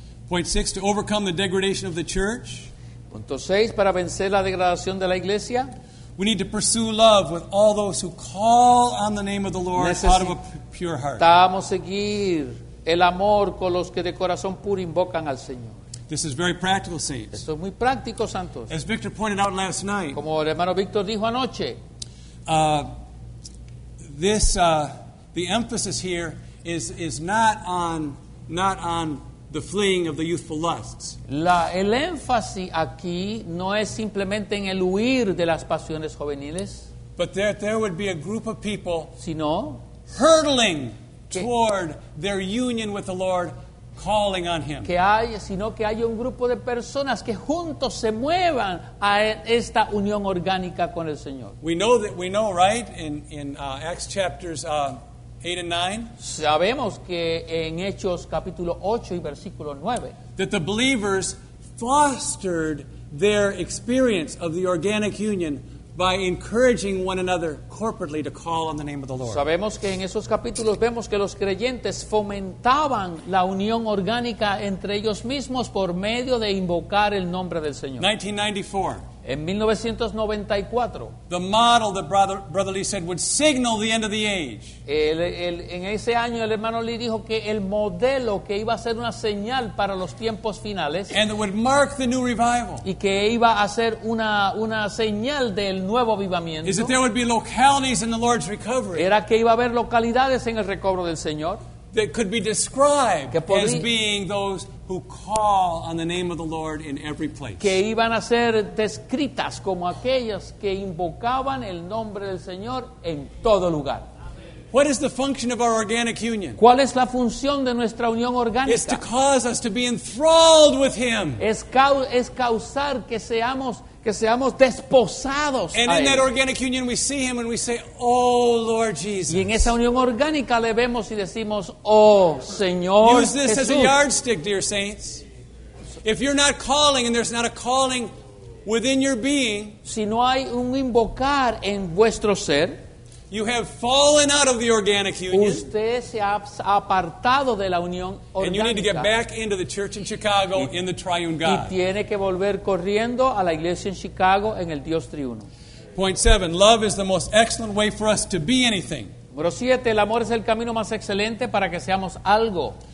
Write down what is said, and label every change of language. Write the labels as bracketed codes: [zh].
[en] Point six, to overcome the degradation of the church. [es] Punto seis, para vencer la degradación de la iglesia. [en] We need to pursue love with all those who call on the name of the Lord out of a pure heart. [es] Necesitamos seguir el amor con los que de corazón puro invocan al Señor. [en] This is very practical, saints. [es] Esto es muy práctico, santos. [en] As Victor pointed out last night, [es] como el hermano Victor dijo anoche, [en] the emphasis here is not on the fleeing of the youthful lusts. [es] El énfasis aquí no es simplemente en el huir de las pasiones juveniles. [en] But there would be a group of people, [es] sino [en] hurtling toward their union with the Lord calling on him. [es] Que hay, sino que hay un grupo de personas que juntos se muevan a esta unión orgánica con el Señor. [en] We know, right? In Acts chapters 8 and 9. [es] Sabemos que en Hechos capítulo 8 y versículo 9. [en] That the believers fostered their experience of the organic union by encouraging one another corporately to call on the name of the Lord. [es] Sabemos que en esos capítulos vemos que los creyentes fomentaban la unión orgánica entre ellos mismos por medio de invocar el nombre del Señor. [en] 1994. [es] En 1994. [en] The model that Brother Lee said would signal the end of the age. [es] En ese año el hermano Lee dijo que el modelo que iba a ser una señal para los tiempos finales. [en] And it would mark the new revival. [es] Y que iba a ser una señal del nuevo avivamiento. [en] Is that there would be localities in the Lord's recovery. [es] Era que iba a haber localidades en el recobro del Señor. [en] That could be described as being those who call on the name of the Lord in every place. [es] Que iban a ser descritas como aquellas que invocaban el nombre del Señor en todo lugar. [en] What is the function of our organic union? [es] ¿Cuál es la función de nuestra unión orgánica? [en] It's to cause us to be enthralled with Him. [es] Es causar que seamos desposados. [en] And in that organic union we see Him and we say, "Oh Lord Jesus." [es] Y en esa unión orgánica le vemos y decimos, "Oh Señor Jesús." [en] Use this as a yardstick, dear saints. If you're not calling and there's not a calling within your being, [es] si no hay un invocar en vuestro ser, [en] you have fallen out of the organic union. [es] Usted se ha apartado de la unión orgánica. [en] And you need to get back into the church in Chicago in the triune God. [es] Y tiene que volver corriendo a la iglesia en Chicago en el Dios triuno. [en] Point 7, love is the most excellent way for us to be anything. [es] Número 7, el amor es el camino más excelente para que seamos algo.